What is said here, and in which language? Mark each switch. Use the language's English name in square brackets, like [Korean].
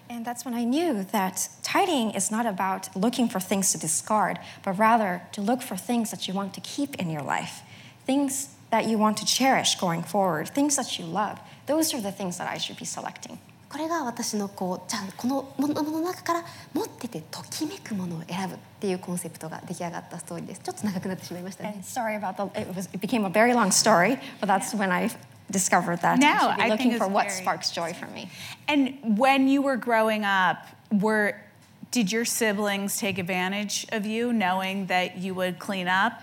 [English] And that's when I knew that tidying is not about looking for things to discard, but rather to look for things that you want to keep in your life, things that you want to cherish going forward, things that you love. Those are the things that I should be selecting. [Japanese] これが私のこう、じゃあこの物の中から持っててときめくものを選ぶっていうコンセプトが出来上がったストーリーです。ちょっと長くなってしまいましたね。 [English] And sorry about the, it became a very long story, but that's when I discovered that. No, I think it's what sparks joy for me. And when you were growing up, did your siblings take advantage of you knowing that you would clean up?